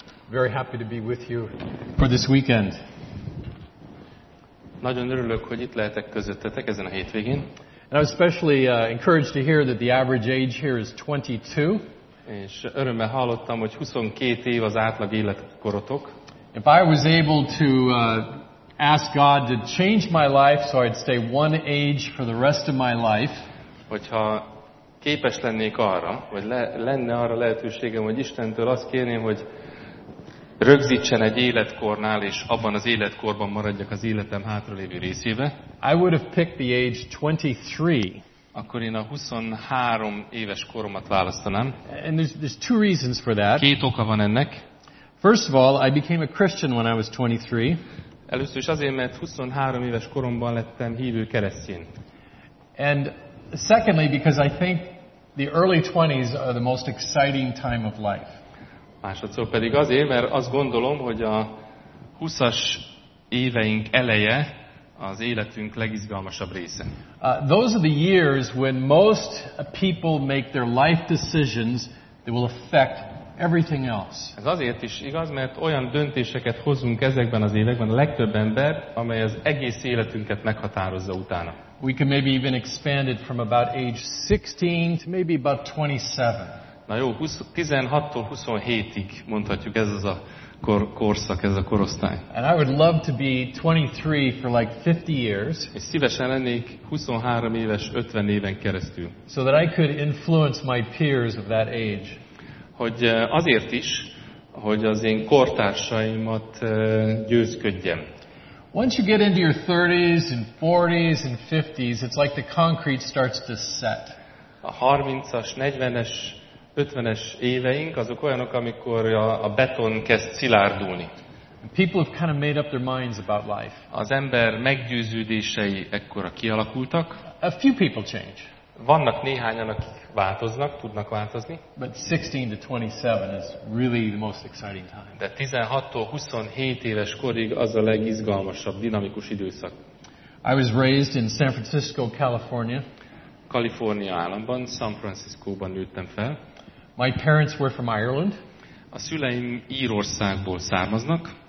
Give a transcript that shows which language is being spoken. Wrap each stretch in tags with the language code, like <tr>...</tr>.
<en>Very happy to be with you for this weekend.</en> <hu>Nagyon örülök, hogy itt lehetek közöttetek ezen a hétvégén.</hu> <en>And I'm especially encouraged to hear that the average age here is 22.</en> <hu>És örömmel hallottam, hogy 22 év az átlag életkorotok.</hu> <en>If I was able to ask God to change my life so I'd stay one age for the rest of my life,</en> <hu>hogyha képes lennék arra, vagy lenne arra lehetőségem, hogy Istentől azt kérném, hogy rögzítsen egy életkornál, és abban az életkorban maradjak az életem hátralévő részébe.</hu> <en>I would have picked the age 23.</en> <hu>Akkor én a 23 éves koromat választanám.</hu> <en>And there's two reasons for that.</en> <hu>Két oka van ennek.</hu> <en>First of all, I became a Christian when I was 23.</en> <hu>Először is azért, mert 23 éves koromban lettem hívő keresztény.</hu> <en>And secondly, because I think the early 20s are the most exciting time of life.</en> <hu>Másodszor pedig azért, mert azt gondolom, hogy a 20-as éveink eleje az életünk legizgalmasabb része.</hu> <en>Those are the years when most people make their life decisions that will affect everything else.</en> <hu>Ez azért is igaz, mert olyan döntéseket hozunk ezekben az években a legtöbb ember, amely az egész életünket meghatározza utána.</hu> <en>We can maybe even expand it from about age 16 to maybe about 27.</en> <hu>Na jó, 16-tól 27-ig mondhatjuk, ez az a korszak, ez a korosztály.</hu> <en>And I would love to be 23 for like 50 years.</en> <hu>És szívesen lennék 23 éves 50 éven keresztül.</hu> <en>So that I could influence my peers of that age.</en> <hu>Hogy azért is, hogy az én kortársaimat győzködjem.</hu> <en>Once you get into your 30s and 40s and 50s, it's like the concrete starts to set.</en> <hu>A 30-as, 40-es, 50-es éveink, azok olyanok, amikor a beton kezd szilárdulni.</hu> <en>People have kind of made up their minds about life.</en> <hu>Az ember meggyőződései ekkora kialakultak.</hu> <en>A few people change.</en> <hu>Vannak néhányan, akik változnak, tudnak változni.</hu> <en>But 16 to 27 is really the most exciting time.</en> <hu>De 16-tól 27 éves korig az a legizgalmasabb, dinamikus időszak.</hu> <en>I was raised in San Francisco, California.</en> <hu>Kalifornia államban, San Franciscóban nőttem fel.</hu> <en>My parents were from Ireland.</en> <hu>A szüleim Írországból származnak.</hu>